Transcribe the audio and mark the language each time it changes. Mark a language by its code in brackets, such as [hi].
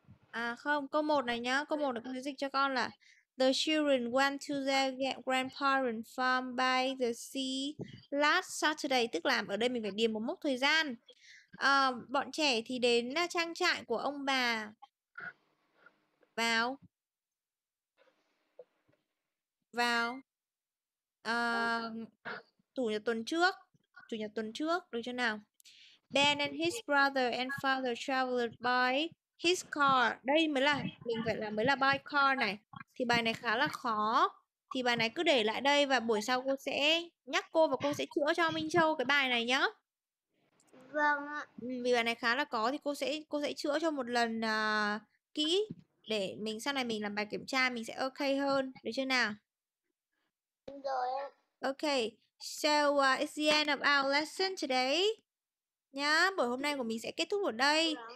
[vi] À không, câu 1 này nhá, câu 1 này con sẽ dịch cho con là [en] The children went to their grandparents' farm by the sea last Saturday, [vi] tức là ở đây mình phải điền một mốc thời gian. Bọn trẻ thì đến trang trại của ông bà vào vào chủ nhật tuần trước, được chưa nào? [en] Ben and his brother and father traveled by his car. [vi] Đây mới là mình phải là mới là by car này, thì bài này khá là khó, thì bài này cứ để lại đây và buổi sau cô sẽ nhắc cô và cô sẽ chữa cho Minh Châu cái bài này nhá. Ạ. Vì bài này khá là có thì cô sẽ chữa cho một lần kỹ để mình sau này mình làm bài kiểm tra mình sẽ ok hơn, được chưa nào? Rồi ạ. [en] Ok, so it's the end of our lesson today. [vi] Nhá, buổi hôm nay của mình sẽ kết thúc ở đây.